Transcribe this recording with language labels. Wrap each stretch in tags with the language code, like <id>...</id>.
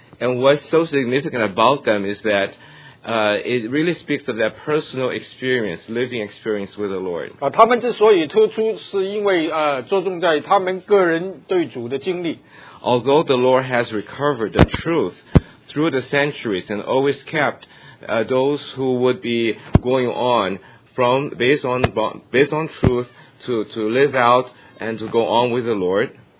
<en>And what's so significant about them is that it really speaks of their personal experience, living experience with the Lord.</en> <zh>他们之所以突出是因为着重在他们个人对主的经历。</zh> <en>Although the Lord has recovered the truth through the centuries and always kept those who would be going on from based on truth to live out and to go on with the Lord.</en>